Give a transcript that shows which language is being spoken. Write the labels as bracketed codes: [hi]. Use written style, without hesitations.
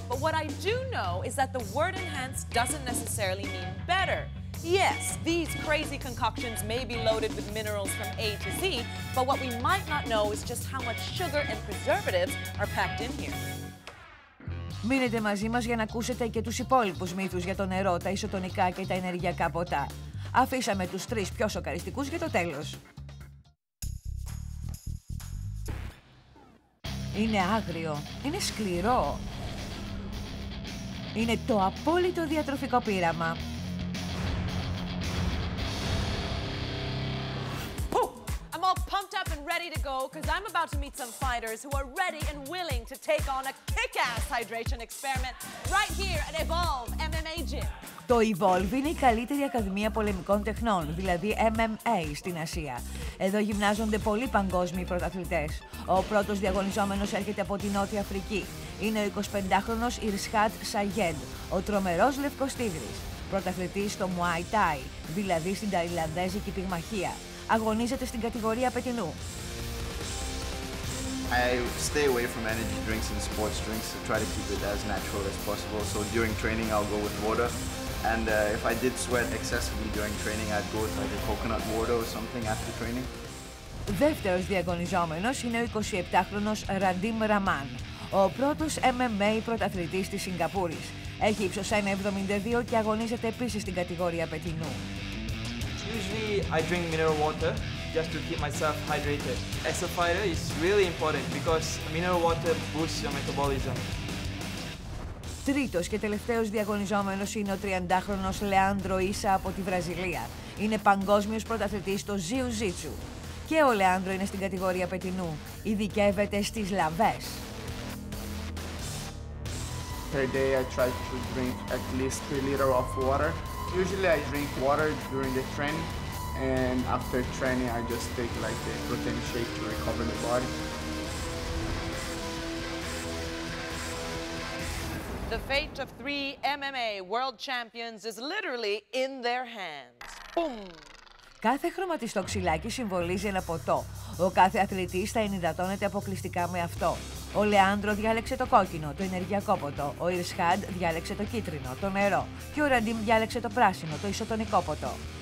[en] But what I do know is that the word enhanced doesn't necessarily mean better. Yes, these crazy concoctions may be loaded with minerals from A to Z, but what we might not know is just how much sugar and preservatives are packed in here. [el] Μείνετε μαζί μας για να ακούσετε και τους υπόλοιπους μύθους για το νερό, τα ισοτονικά και τα ενεργειακά ποτά. Αφήσαμε τους 3 πιο σοκαριστικούς για το τέλος. Είναι άγριο. Είναι σκληρό. Είναι το απόλυτο διατροφικό πείραμα. [en] I'm all pumped up and ready to go because I'm about to meet some fighters who are ready and willing to take on a kick-ass hydration experiment right here at Evolve MMA Gym. [el] Το Evolve είναι η καλύτερη ακαδημία πολεμικών τεχνών, δηλαδή MMA, στην Ασία. Εδώ γυμνάζονται πολλοί παγκόσμιοι πρωταθλητές. Ο πρώτος διαγωνιζόμενος έρχεται από τη Νότια Αφρική. Είναι ο 25χρονος Ιρσχάτ Σαγέντ, ο τρομερός λευκός τίγρης. Πρωταθλητής στο Muay Thai, δηλαδή στην ταϊλανδέζικη πυγμαχία. Αγωνίζεται στην κατηγορία πετινού. [en] I stay away from energy drinks and sports drinks. I try to keep it as natural as possible. So during training, I'll go with water. And if I did sweat excessively during training, I'd go with like a coconut water or something after training. [el] Δεύτερος διαγωνιζόμενος είναι ο 27χρονος Ραντίμ Ραμάν, ο πρώτος MMA πρωταθλητής της Σιγκαπούρης. Έχει ύψος 1,72 και αγωνίζεται επίσης στην κατηγορία πετινού. [en] Usually I drink mineral water just to keep myself hydrated. As a fighter, it's really important because mineral water boosts your metabolism. [el] Τρίτος και τελευταίος διαγωνιζόμενος είναι ο 30χρονος Λεάντρο Ίσα από τη Βραζιλία. Είναι παγκόσμιος πρωταθλητής στο Jiu-Jitsu. και ολεάνδρο είναι στην κατηγορία πετινού. Ειδικεύεται στις λαβές. [en] Per day I try to drink at least 3 liters of water. Usually I drink water during the training and after training I just take like a protein shake to recover the body. The fate of three MMA world champions is literally in their hands. Boom. [el] Κάθε χρωματιστό ξυλάκι συμβολίζει ένα ποτό. Ο κάθε αθλητής θα ενυδατώνεται αποκλειστικά με αυτό. Ο Λεάνδρο διάλεξε το κόκκινο, το ενεργειακό ποτό. Ο Ιρσχάντ διάλεξε το κίτρινο, το νερό. Και ο Ραντίμ διάλεξε το πράσινο, το ισοτονικό ποτό.